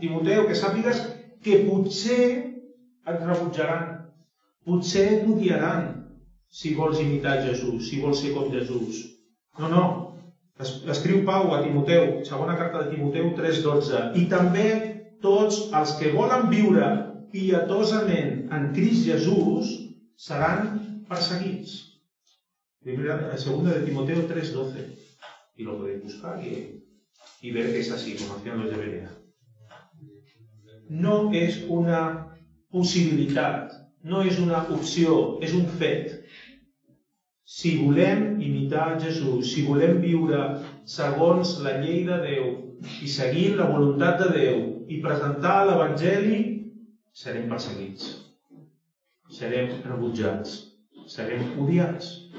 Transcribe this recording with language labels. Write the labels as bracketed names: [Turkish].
[Catalan] Timoteu, que sàpigues que potser et rebutjaran, potser et odiaran si vols imitar Jesús, si vols ser com Jesús. No, escriu Pau a Timoteu, segona carta de Timoteu 3:12, i també tots els que volen viure pietosament en Crist Jesús seran perseguits. [Spanish] Segunda de Timoteo 3:12, y lo podéis buscar y ver que es así, como hacían los de Berea. [Catalan] no és una possibilitat, no és una opció, és un fet. Si volem imitar Jesús, si volem viure segons la llei de Déu i seguir la voluntat de Déu i presentar l'Evangeli, serem perseguits, serem rebutjats, serem odiats.